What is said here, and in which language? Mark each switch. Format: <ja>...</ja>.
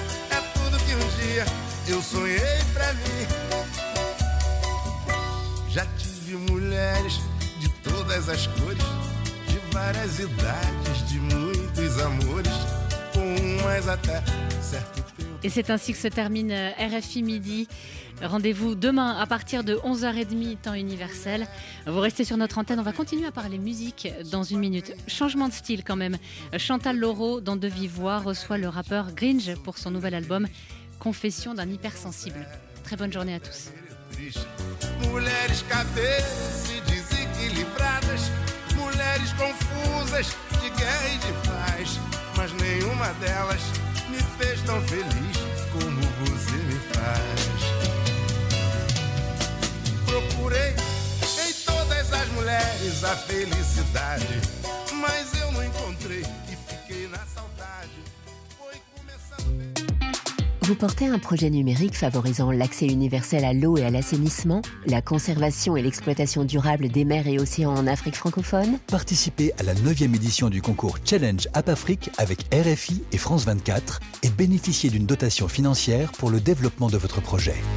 <pt>É tudo que um dia eu sonhei pra mim. Já tive mulheres de todas as cores, de várias idades, de muitos amores, com umas até certo tempo.</pt> <fr>Et c'est ainsi que se termine RFI Midi. Rendez-vous demain à partir de 11h30, temps universel. Vous restez sur notre antenne, on va continuer à parler musique dans une minute. Changement de style quand même. Chantal Laureau, dans De Vive Voix, reçoit le rappeur Gringe pour son nouvel album Confession d'un hypersensible. Très bonne journée à tous.</fr> <pt>Mulheres cabeças e desequilibradas, mulheres confusas de guerra e de paz, mas nenhuma delas me fez tão feliz como você me faz. Procurei em todas as mulheres a felicidade, mas eu não encontrei e fiquei na saudade. Foi começando.</pt> <fr>Vous portez un projet numérique favorisant l'accès universel à l'eau et à l'assainissement, la conservation et l'exploitation durable des mers et océans en Afrique francophone? Participez à la 9e édition du concours Challenge App Afrique avec RFI et France 24 et bénéficiez d'une dotation financière pour le développement de votre projet.</fr>